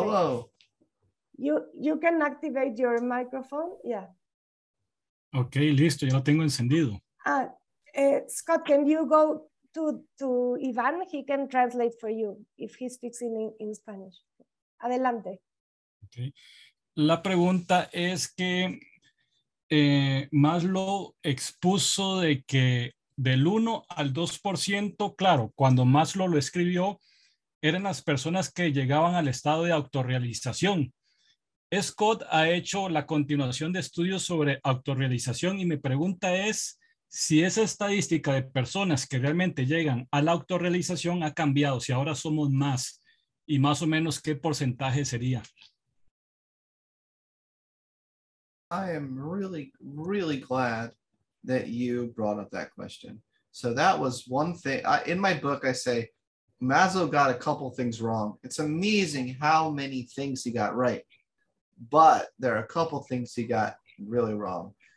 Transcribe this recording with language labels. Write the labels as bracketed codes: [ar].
[en] Hello. You can activate your microphone, yeah. [es] Okay, listo, ya lo tengo encendido. [en] Scott, can you go to Ivan? He can translate for you if he speaks in Spanish. [es] Adelante. [en] Okay. [es] La pregunta es que Maslow expuso de que del 1 al 2%, claro, cuando Maslow lo escribió, eran las personas que llegaban al estado de autorrealización. Scott ha hecho la continuación de estudios sobre autorrealización y mi pregunta es si esa estadística de personas que realmente llegan a la autorrealización ha cambiado, si ahora somos más y más o menos qué porcentaje sería. [en] I am really, really glad that you brought up that question. So that was one thing. In my book, I say Maslow got a couple things wrong. It's amazing how many things he got right. But there are a couple things he got really wrong.